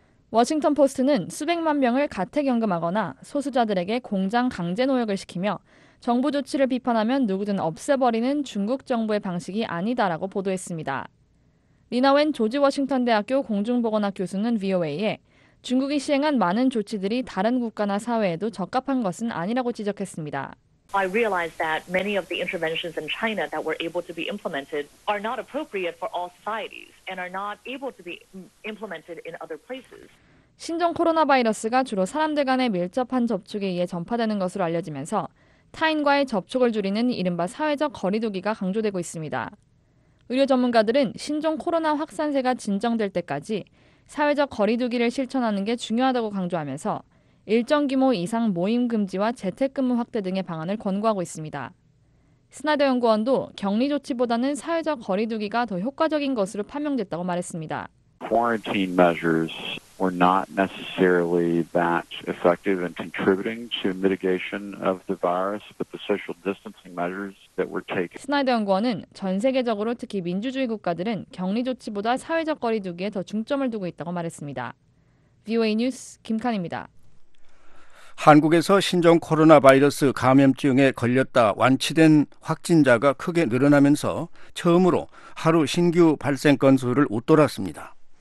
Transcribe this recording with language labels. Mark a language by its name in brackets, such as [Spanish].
[Korean] 워싱턴포스트는 수백만 명을 가택연금하거나 소수자들에게 공장 강제 노역을 시키며 정부 조치를 비판하면 누구든 없애버리는 중국 정부의 방식이 아니다라고 보도했습니다. 리나 웬 조지 워싱턴 대학교 공중보건학 교수는 VOA에 중국이 시행한 많은 조치들이 다른 국가나 사회에도 적합한 것은 아니라고 지적했습니다. [English] I realize that many of the interventions in China that were able to be implemented are not appropriate for all societies and are not able to be implemented in other places. [Korean] 신종 코로나 바이러스가 주로 사람들 간의 밀접한 접촉에 의해 전파되는 것으로 알려지면서 타인과의 접촉을 줄이는 이른바 사회적 거리두기가 강조되고 있습니다. 의료 전문가들은 신종 코로나 확산세가 진정될 때까지 사회적 거리두기를 실천하는 게 중요하다고 강조하면서 일정 규모 이상 모임 금지와 재택근무 확대 등의 방안을 권고하고 있습니다. 스나더 연구원도 격리 조치보다는 사회적 거리두기가 더 효과적인 것으로 판명됐다고 말했습니다. [English] Quarantine measures were not necessarily that effective in contributing to mitigation of the virus, but the social distancing measures that were taken. [Korean] 스나이더 연구원은 전 세계적으로 특히 민주주의 국가들은 격리 조치보다 사회적 거리두기에 더 중점을 두고 있다고 말했습니다. VOA 뉴스 김칸입니다. 한국에서 신종 코로나 바이러스 감염증에 걸렸다 완치된 확진자가 크게 늘어나면서 처음으로 하루 신규 발생 건수를 웃돌았습니다.